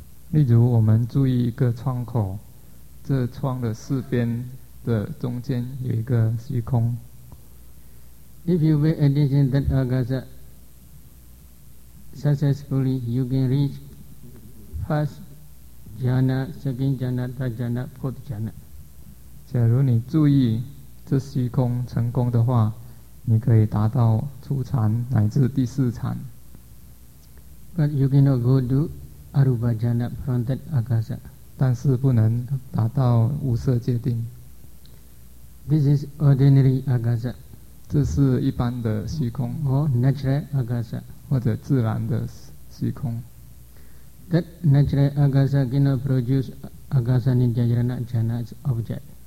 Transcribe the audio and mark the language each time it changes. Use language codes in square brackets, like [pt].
[zh] 例如我们注意一个窗口，这窗的四边的中间有一个虚空。 [en] If you pay attention to that Agasa successfully, you can reach first jhana, second jhana, third jhana, fourth jhana. [zh] 假如你注意这虚空成功的话， 你可以达到初禅乃至第四禅。 [en] But you cannot go to Arupa jhana from that Agasa. [zh] 但是不能达到无色界定。 [en] This is ordinary Agasa. [zh] 这是一般的虚空， [en] or natural agasa， [zh] 或者自然的虚空。 [en] That natural agasa cannot produce agasa nijayana jhana's object.